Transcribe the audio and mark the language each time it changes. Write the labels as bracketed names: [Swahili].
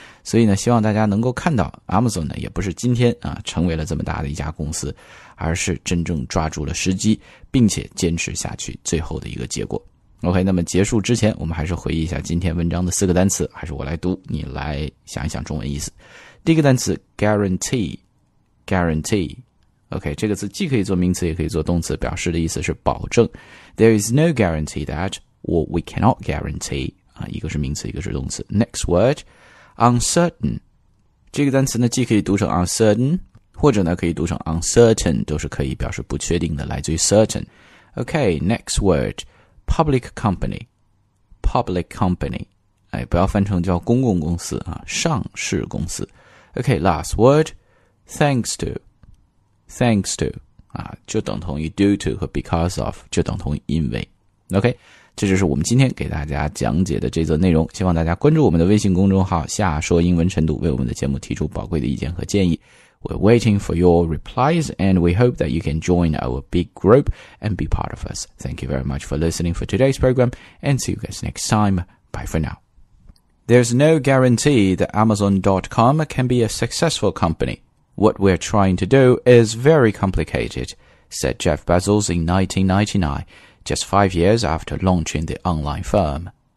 [Chinese] 所以呢，希望大家能够看到 Amazon 呢，也不是今天啊成为了这么大的一家公司，而是真正抓住了时机并且坚持下去最后的一个结果。 OK， 那么结束之前我们还是回忆一下今天文章的四个单词，还是我来读，你来想一想中文意思。第一个单词 guarantee guarantee。 OK， 这个词既可以做名词也可以做动词，表示的意思是保证。 [English] There is no guarantee that, or we cannot guarantee. [Chinese] 啊，一个是名词，一个是动词。 [English] Next word, uncertain. [Chinese] 这个单词呢，既可以读成 uncertain， 或者呢，可以读成 uncertain， 都是可以表示不确定的，来自于 certain。 [English] OK， next word, public company. Public company， [Chinese] 哎，不要翻成叫公共公司啊，上市公司。 [English] OK， last word, thanks to. Thanks to, [Chinese] 啊，就等同于 due to 和 because of, 就等同于因为。 OK, 这就是我们今天给大家讲解的这则内容，希望大家关注我们的微信公众号下说英文晨读，为我们的节目提出宝贵的意见和建议。 [English] We're waiting for your replies, and we hope that you can join our big group and be part of us. Thank you very much for listening for today's program, and see you guys next time. Bye for now. There's no guarantee that Amazon.com can be a successful company. What we're trying to do is very complicated, said Jeff Bezos in 1999, just 5 years after launching the online firm.